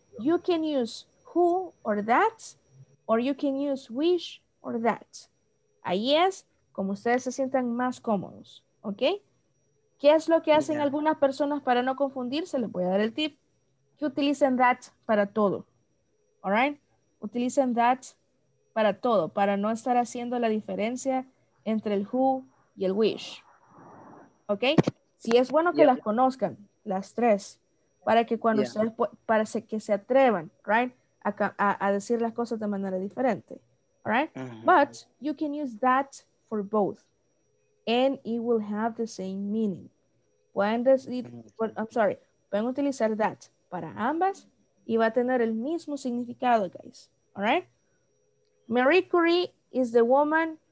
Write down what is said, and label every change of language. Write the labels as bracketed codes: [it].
[en] You can use who or that, or you can use which or that. [es] Ahí es como ustedes se sientan más cómodos, ¿ok? ¿Qué es lo que hacen algunas personas para no confundirse? Les voy a dar el tip. Que utilicen that para todo, [en] ¿all right? [es] Utilicen that para todo, para no estar haciendo la diferencia entre el who y el which, ¿ok? Sí, es bueno que las conozcan, las tres. Para que cuando ustedes, para que se atrevan, right, a decir las cosas de manera diferente, [en] all right? But you can use that for both, and it will have the same meaning. [es] Pueden decir, [en] I'm sorry, [es] pueden utilizar that para ambas, y va a tener el mismo significado, [en] guys, all right? Marie Curie is the woman